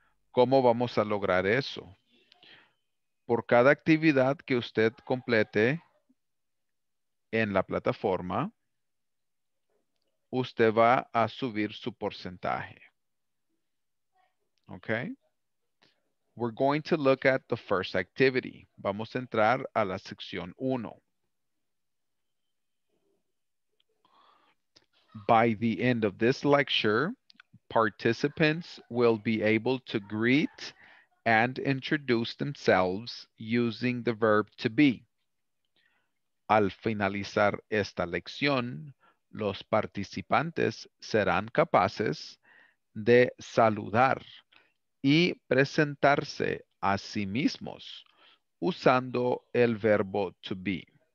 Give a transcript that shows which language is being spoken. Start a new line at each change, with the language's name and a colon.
Spanish: ¿Cómo vamos a lograr eso? Por cada actividad que usted complete en la plataforma, usted va a subir su porcentaje.
English: Okay? We're going to look at the first activity.
Spanish: Vamos a entrar a la sección 1.
English: By the end of this lecture, participants will be able to greet and introduce themselves using the verb to be.
Spanish: Al finalizar esta lección, los participantes serán capaces de saludar y presentarse a sí mismos usando el verbo to be.